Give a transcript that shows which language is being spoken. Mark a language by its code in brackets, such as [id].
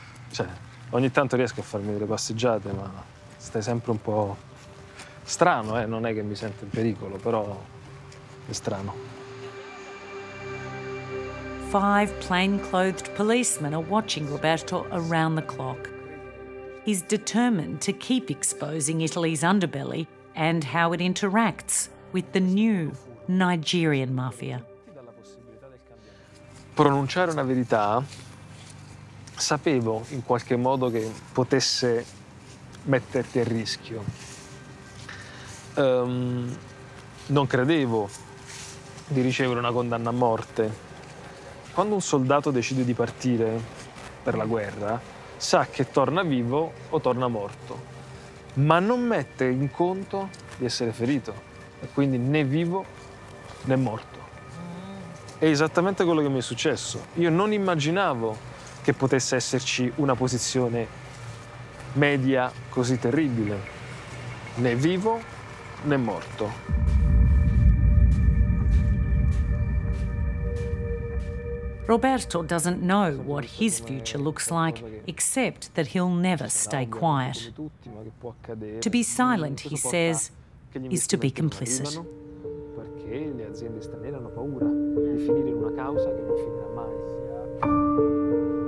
[it] Cioè, ogni tanto riesco a farmi delle passeggiate, ma stai sempre un po' strano, eh? Non è che mi sento in pericolo, però è strano. [en] Five plain-clothed policemen are watching Roberto around the clock. He's determined to keep exposing Italy's underbelly and how it interacts with the new Nigerian mafia. [it] Pronunciare una verità, sapevo in qualche modo che potesse metterti a rischio. Non credevo di ricevere una condanna a morte. Quando un soldato decide di partire, per la guerra sa che torna vivo o torna morto, ma non mette in conto di essere ferito, e quindi né vivo né morto. È esattamente quello che mi è successo. Io non immaginavo che potesse esserci una posizione media così terribile, né vivo né morto. [en] Roberto doesn't know what his future looks like, except that he'll never stay quiet. To be silent, he says, is to be complicit. [it] Le aziende straniere hanno paura di finire in una causa che non finirà mai.